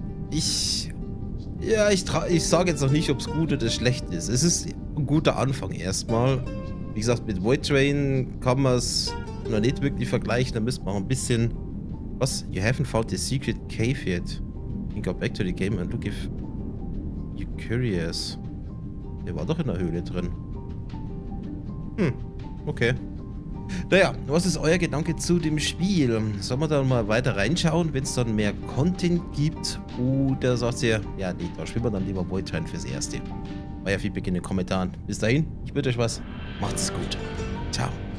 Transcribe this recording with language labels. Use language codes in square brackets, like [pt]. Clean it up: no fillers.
[de] Ich sage jetzt noch nicht, ob es gut oder schlecht ist. Es ist ein guter Anfang erstmal. Wie gesagt, mit Void Train kann man es noch nicht wirklich vergleichen. Da müsste man auch ein bisschen... Was? [en] You haven't found the secret cave yet. You go back to the game and look if you're curious. [de] Der war doch in der Höhle drin. Okay. Naja, was ist euer Gedanke zu dem Spiel? Sollen wir da mal weiter reinschauen, wenn es dann mehr Content gibt? Oder sagt ihr, ja, nee, da spielen wir dann lieber Void Train fürs Erste. Euer Feedback in den Kommentaren. Bis dahin, ich wünsche euch was. Macht's gut. Ciao.